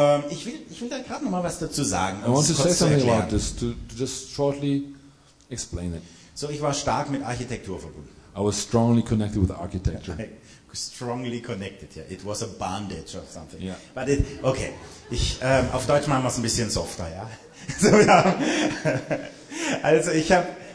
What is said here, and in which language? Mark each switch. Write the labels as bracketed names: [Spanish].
[German] Ich will da gerade noch mal was dazu sagen. [English] I want to say something about this, to just shortly explain it. [German] So, ich war stark mit Architektur verbunden. [English] I was strongly connected with architecture. Strongly connected, yeah. It was a bondage or something. Yeah. But it, okay. [German] Auf Deutsch machen wir es ein bisschen softer, ja. So, ja. Also ich habe